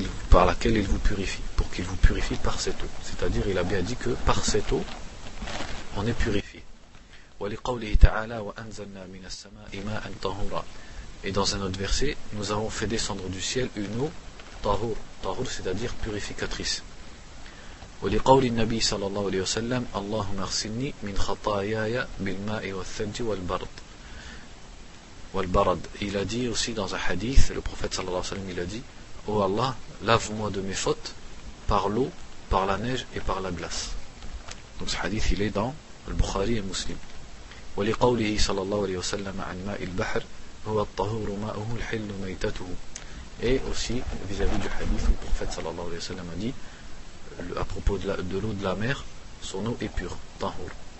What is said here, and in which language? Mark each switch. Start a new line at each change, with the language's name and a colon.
French: par laquelle il vous purifie, pour qu'il vous purifie par cette eau. C'est-à-dire, il a bien dit que par cette eau, on est purifié. Et dans un autre verset, nous avons fait descendre du ciel une eau tahour, tahour, c'est-à-dire purificatrice.
Arabic: ولقول النبي صلى الله عليه وسلم اللهم اغسلني من خطاياي بالماء والثلج والبرد والبرد.
French: Il a dit aussi dans un hadith, le prophète
Arabic: صلى الله عليه وسلم,
French: il a dit: Oh Allah, lave-moi de mes fautes par l'eau, par la neige et par la glace. Donc ce hadith, il est dans le Bukhari et Muslim.
Arabic: ولقوله صلى الله عليه وسلم عن ماء البحر هو الطهور ماؤه الحل ميتته.
French: Et aussi vis-à-vis du hadith où le prophète
Arabic: صلى الله عليه وسلم
French: a dit à propos de l'eau de la mer, son eau est pure, tahour.